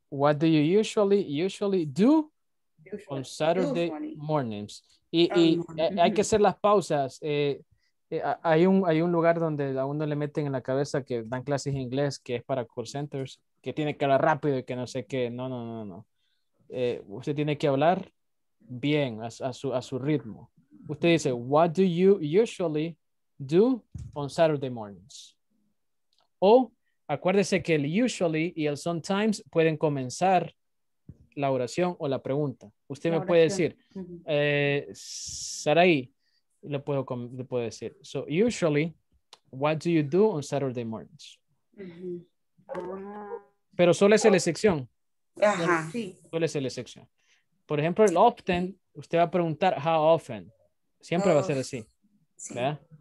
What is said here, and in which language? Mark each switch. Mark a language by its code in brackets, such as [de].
[en] What do you usually do on Saturday mornings? [es] Y hay que hacer las pausas. Hay un lugar donde a uno le meten en la cabeza que dan clases en inglés, que es para call centers, que tiene que hablar rápido y que no sé qué. No. Usted tiene que hablar bien a su ritmo. Usted dice, [en] what do you usually do on Saturday mornings? [es] O acuérdese que el usually y el sometimes pueden comenzar la oración o la pregunta. Usted la me oración. Puede decir, Sarai, le puedo decir. [en] So, usually, what do you do on Saturday mornings? [es] Pero solo es la excepción. Ajá. Sí. Solo es la excepción. Por ejemplo, el often, usted va a preguntar [en] how often. [es] Siempre va a ser así. Sí. ¿Verdad?